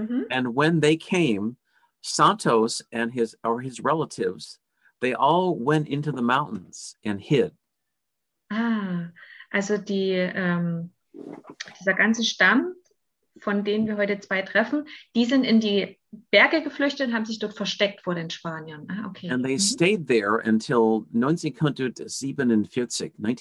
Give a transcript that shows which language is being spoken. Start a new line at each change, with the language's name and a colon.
English: And when they came, Santos and his relatives, they all went into the mountains and hid.
German: Ah, also dieser ganze Stamm, von denen wir heute zwei treffen, die sind in die Berge geflüchtet und haben sich dort versteckt vor den Spaniern. Ah, okay.
English: And they stayed there until 1947.